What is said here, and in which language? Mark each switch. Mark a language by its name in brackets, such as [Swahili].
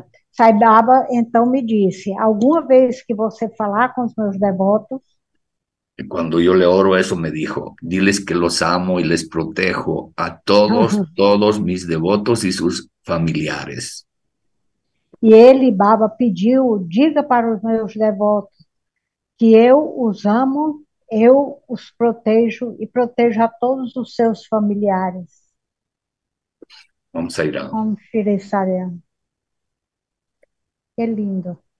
[Portuguese] Saibaba, então me disse: alguma vez que você falar com os meus devotos, [Spanish] Cuando yo le oro eso, me dijo, diles que los amo y les protejo a todos mis devotos y sus familiares. [Portuguese] E ele, Baba, pediu: diga para os meus devotos que eu os amo, eu os protejo e protejo a todos os seus familiares. [Spanish] Vamos a ir a... Om Shri Sarayam. Que lindo.